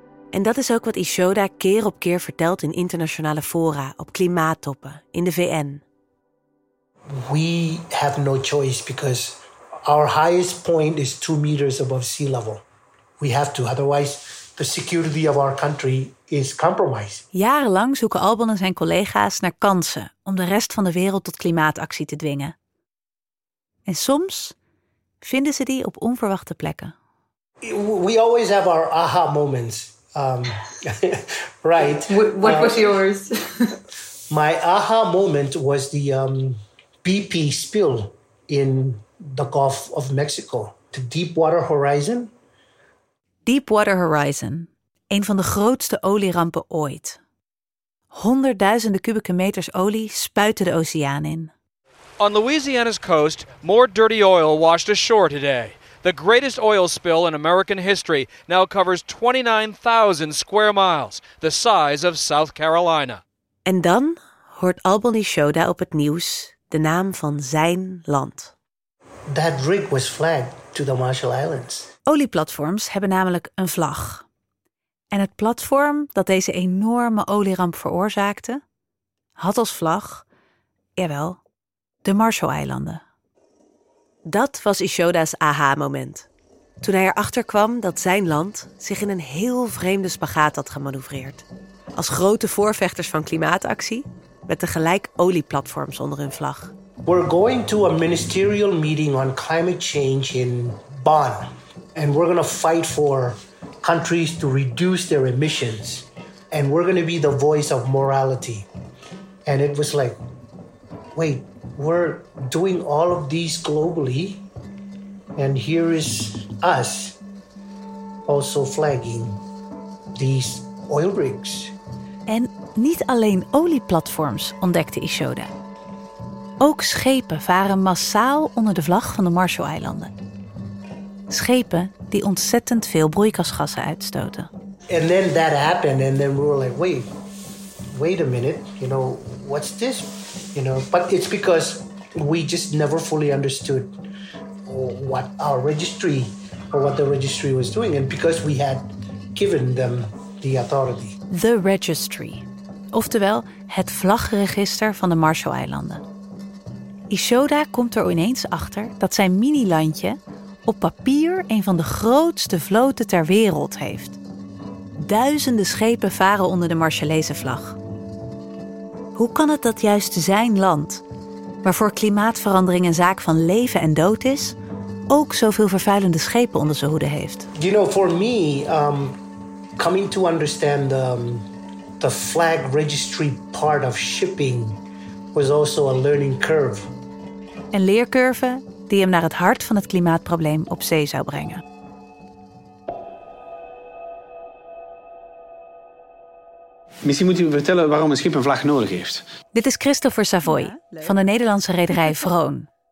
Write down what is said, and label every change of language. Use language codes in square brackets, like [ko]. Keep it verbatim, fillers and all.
[nl] En dat is ook wat Ishoda keer op keer vertelt in internationale fora, op klimaattoppen, in de V N. [en] We have no choice because our highest point is two meters above sea level. We have to, otherwise the security of our country is compromised. [nl] Jarenlang zoeken Alban en zijn collega's naar kansen om de rest van de wereld tot klimaatactie te dwingen. En soms vinden ze die op onverwachte plekken. [en] We always have our aha moments. Um, right. What was yours? My aha moment was the um, B P spill in the Gulf of Mexico. The Deepwater Horizon. [nl] Deepwater Horizon, een van de grootste olierampen ooit. Honderdduizenden kubieke meters olie spuiten de oceaan in. [en] On Louisiana's coast, more dirty oil washed ashore today. The greatest oil spill in American history now covers twenty-nine thousand square miles, the size of South Carolina. [nl] En dan hoort Alban Ishoda op het nieuws de naam van zijn land. [en] That rig was flagged to the Marshall Islands. [nl] Olieplatforms hebben namelijk een vlag. En het platform dat deze enorme olieramp veroorzaakte, had als vlag, jawel, de Marshall-eilanden. Dat was Ishoda's aha-moment. Toen hij erachter kwam dat zijn land zich in een heel vreemde spagaat had gemanoeuvreerd. Als grote voorvechters van klimaatactie, met tegelijk olieplatforms onder hun vlag. [en] We're going to a ministerial meeting on climate change in Bonn. And we're going to fight for countries to reduce their emissions. And we're going to be the voice of morality. And it was like, wait, we're doing all of these globally. And here is us also flagging these oil rigs. [nl] En niet alleen olieplatforms ontdekte Ishoda. Ook schepen varen massaal onder de vlag van de Marshall-eilanden. Schepen die ontzettend veel broeikasgassen uitstoten. [en] And then that happened and then we were like, wait, wait a minute, you know, what's this? You know, but it's because we just never fully understood what our registry or what the registry was doing and because we had given them the authority. The registry, [nl] oftewel het vlagregister van de Marshall-eilanden. Ishoda komt er ineens achter dat zijn mini-landje op papier een van de grootste vloten ter wereld heeft. Duizenden schepen varen onder de Marshallese vlag. Hoe kan het dat juist zijn land, waarvoor klimaatverandering een zaak van leven en dood is, ook zoveel vervuilende schepen onder zijn hoede heeft? [en] You know, for me, um, coming to understand um, the flag registry part of shipping was also a learning curve. [nl] Een leercurve die hem naar het hart van het klimaatprobleem op zee zou brengen. Misschien moet u vertellen waarom een schip een vlag nodig heeft. Dit is Christopher Savoy van de Nederlandse rederij Vroon.